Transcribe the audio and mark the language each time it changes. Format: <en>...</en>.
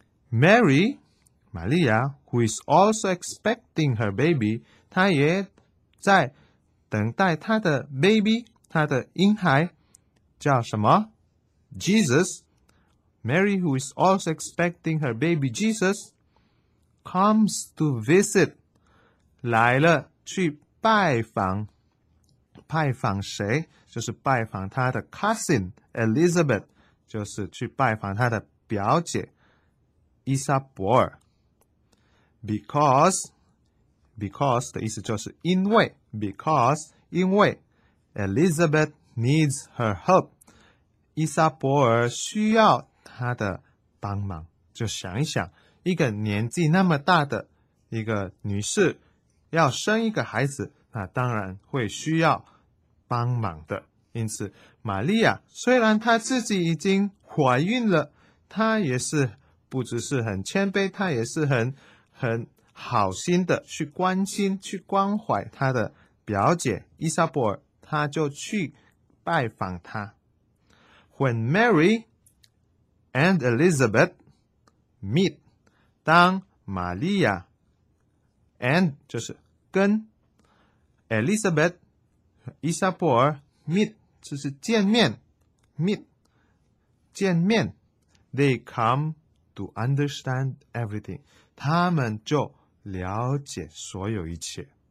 <en>Mary 玛利亚 who is also expecting her baby</en> <zh>他也在等待他的</zh> <en>baby</en> <zh>他的婴孩叫什么</zh> <en>JesusMary, who is also expecting her baby Jesus, comes to visit.</en> <zh>来了去拜访谁？就是拜访她的</zh> <en>cousin Elizabeth,</en> <zh>就是去拜访她的表姐伊莎伯尔。</zh> <en>Because</en> <zh>的意思就是因为</zh> <en>because</en> <zh>因为</zh> <en>Elizabeth needs her help.</en> <zh>伊莎伯尔需要他的帮忙。就想一想，一个年纪那么大的一个女士要生一个孩子，那当然会需要帮忙的。因此玛利亚虽然她自己已经怀孕了，她也是不只是很谦卑，她也是很好心的去关心去关怀她的表姐伊莎伯尔，她就去拜访她。</zh> <en>When Mary and Elizabeth meet，</en> <zh>当玛利亚</zh> <en>and</en> <zh>就是跟</zh> <en>Elizabeth 伊莎伯尔 meet</en> <zh>就是见面</zh> <en>meet</en> <zh>见面，</zh> <en>they come to understand everything，</en> <zh>他们就了解所有一切。</zh>